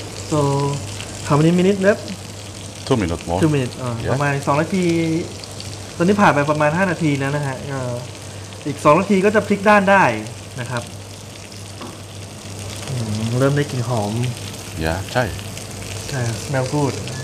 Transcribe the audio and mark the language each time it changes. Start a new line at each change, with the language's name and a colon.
English: so how many minutes left 2 minutes more 2 minutes
Thai: ประมาณ2นาทีตอนนี้ผ่านไปประมาณ5นาทีแล้วนะฮะอีก2นาทีก็จะพลิกด้านได้นะครับเริ่มได้กลิ่นหอม
English: yeah
Thai: ใช่
English: smell good